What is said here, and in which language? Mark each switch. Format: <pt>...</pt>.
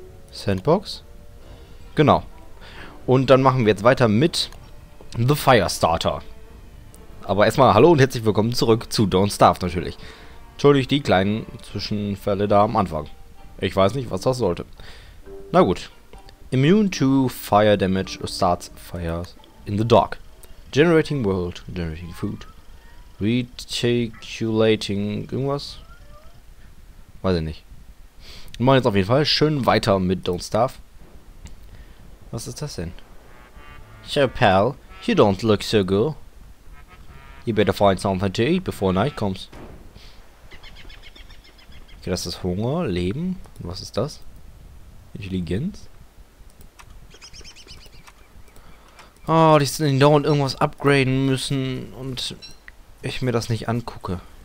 <de>Sandbox? Genau. Und dann machen wir jetzt weiter mit The Firestarter. Aber erstmal hallo und herzlich willkommen zurück zu Don't Starve natürlich. Entschuldigt die kleinen Zwischenfälle da am Anfang. Ich weiß nicht, was das sollte. Na gut.</de> <en>Immune to fire damage starts fires in the dark. Generating world, generating food. Reticulating</en> <de>irgendwas? Weiß ich nicht. Wir machen jetzt auf jeden Fall schön weiter mit Don't Starve. Was ist das denn?</de> <en>So, pal, you don't look so good. You better find something to eat before night comes.</en> <de>Okay, das ist Hunger, Leben. Was ist das? Intelligenz? Oh, die sind in dauernd irgendwas upgraden müssen und ich mir das nicht angucke.</de>